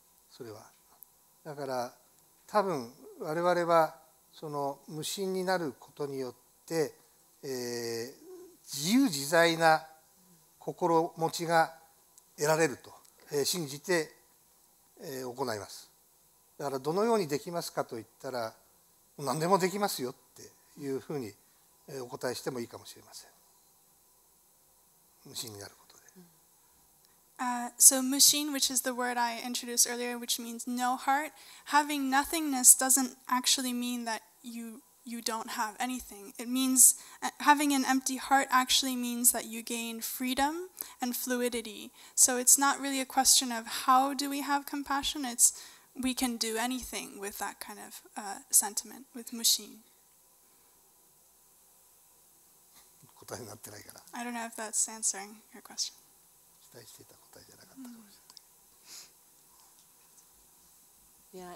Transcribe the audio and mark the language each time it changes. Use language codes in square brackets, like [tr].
[ja] それはだから多分我々はその無心になることによって、自由自在な心持ちが得られると、信じて、行います。だからどのようにできますかといったら何でもできますよっていうふうにお答えしてもいいかもしれません。無心になることで。 [en] So 無心, which is the word I introduced earlier, which means no heart. Having nothingness doesn't actually mean that you don't have anything. It means having an empty heart actually means that you gain freedom and fluidity. So it's not really a question of how do we have compassion. It's we can do anything with that kind of sentiment with 無心. [ja] になってないから。 [en] I don't know if that's answering your question. [ja] 期待していた答えじゃなかったかもしれない。